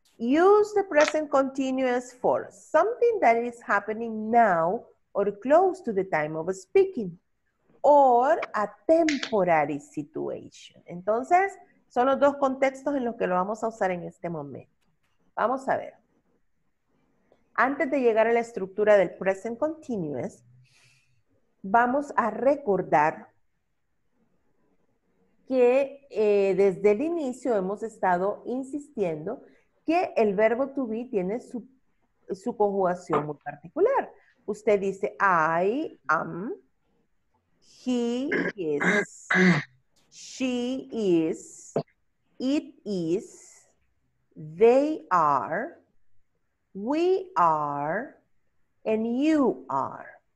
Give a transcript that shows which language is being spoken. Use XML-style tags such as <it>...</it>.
<en>Use the present continuous for something that is happening now or close to the time of speaking or a temporary situation.</en> <es>Entonces, son los dos contextos en los que lo vamos a usar en este momento. Vamos a ver. Antes de llegar a la estructura del present continuous, vamos a recordar que desde el inicio hemos estado insistiendo que el verbo to be tiene su conjugación muy particular. Usted dice,</es> <en>I am, he is, she is, it is, they are, we are, and you are.</en>